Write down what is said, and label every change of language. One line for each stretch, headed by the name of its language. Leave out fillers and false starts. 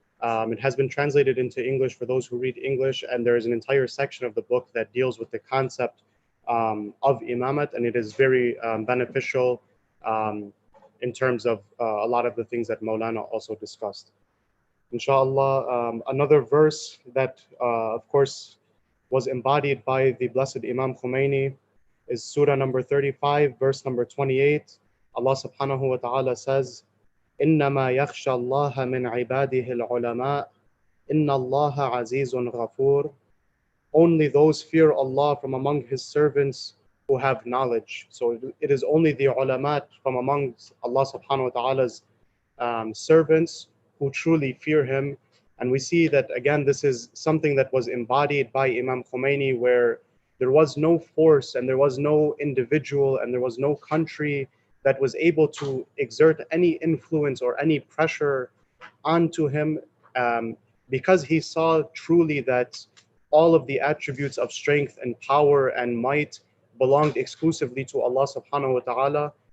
English: It has been translated into English for those who read English, and there is an entire section of the book that deals with the concept of imamat, and it is very beneficial in terms of a lot of the things that Maulana also discussed. Inshallah, another verse that, of course, was embodied by the blessed Imam Khomeini is Surah number 35, verse number 28. Allah subhanahu wa ta'ala says,
Arabic: إِنَّمَا يَخْشَى اللَّهَ مِنْ عِبَادِهِ الْعُلَمَاءِ إِنَّ اللَّهَ عَزِيزٌ غَفُورٌ.
English: only those fear Allah from among his servants who have knowledge. So it is only the ulamat from among Allah subhanahu wa ta'ala's servants who truly fear him. And we see that, again, this is something that was embodied by Imam Khomeini, where there was no force and there was no individual and there was no country that was able to exert any influence or any pressure onto him, because he saw truly that all of the attributes of strength and power and might belonged exclusively to Allah subhanahu wa ta'ala.